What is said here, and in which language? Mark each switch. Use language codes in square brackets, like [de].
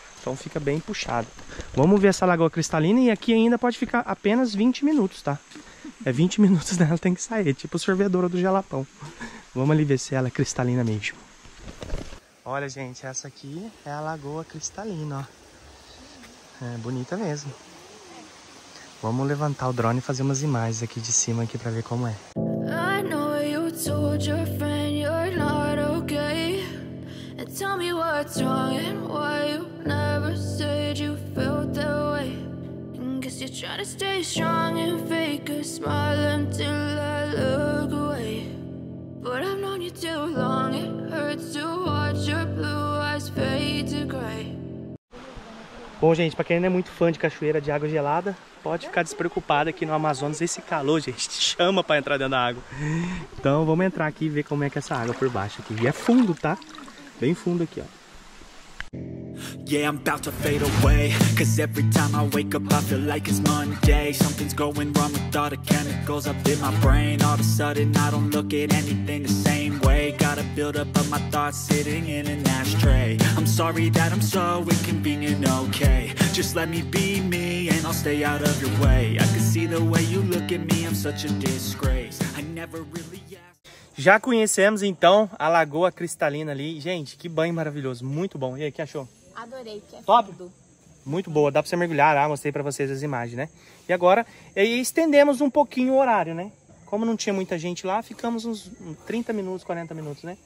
[pt] Então fica bem puxado. Vamos ver essa lagoa cristalina e aqui ainda pode ficar apenas 20 minutos, tá? 20 minutos dela, né? Tem que sair. Tipo sorvedouro do Jalapão. Vamos ali ver se ela é cristalina mesmo. Olha, gente, essa aqui é a lagoa cristalina, ó. É bonita mesmo. Vamos levantar o drone e fazer umas imagens aqui de cima aqui pra ver como é. [en] I know you told your friend you're not okay. And tell me what's wrong and why you never said you felt that way. Cause you're trying to stay strong and fake a smile until I look away. But I've known you. you too long. It hurts to watch your blue eyes fade to gray. [pt] Bom, gente, pra quem não é muito fã de cachoeira de água gelada, pode ficar despreocupado aqui no Amazonas. Esse calor, gente, chama pra entrar dentro da água. Então, vamos entrar aqui e ver como é que é essa água por baixo aqui. E é fundo, tá? Bem fundo aqui, ó. [en] Yeah, I'm about to fade away. Cause every time I wake up, I feel like it's Monday. Something's going wrong with all the chemicals up in my brain. All of a sudden, I don't look at anything the same way. Gotta build up of my thoughts sitting in an ashtray. I'm sorry that I'm so inconvenient, okay. Just let me be me and I'll stay out of your way. I can see the way you look at me, I'm such a disgrace. I never really asked. [pt] Já conhecemos então a Lagoa Cristalina ali. Gente, que banho maravilhoso, muito bom. E aí, o que achou? Adorei, que é tudo. Muito boa, dá pra você mergulhar, mostrei pra vocês as imagens, né? E agora, estendemos um pouquinho o horário, né? Como não tinha muita gente lá, ficamos uns 30 minutos, 40 minutos, né?